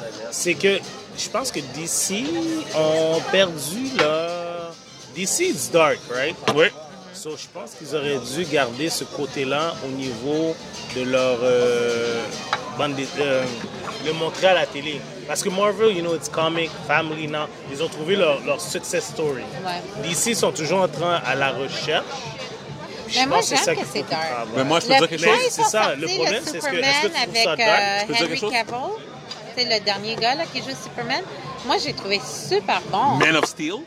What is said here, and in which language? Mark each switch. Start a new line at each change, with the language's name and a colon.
French: C'est que je pense que DC ont perdu là.
English: DC, it's dark, right?
French: Oui. So, je pense qu'ils auraient dû garder ce côté-là au niveau de leur le montrer à la télé. Parce que
English: Marvel, you know, it's comic, family,
French: non. Ils ont trouvé leur success story. Ouais. DC sont toujours en train à la recherche. Mais moi, j'aime que c'est dark. Mais moi, je peux dire quelque chose. C'est ça. Le problème, c'est que avec Henry Cavill, c'est le dernier gars là, qui joue Superman. Moi, j'ai trouvé super bon. Man of Steel.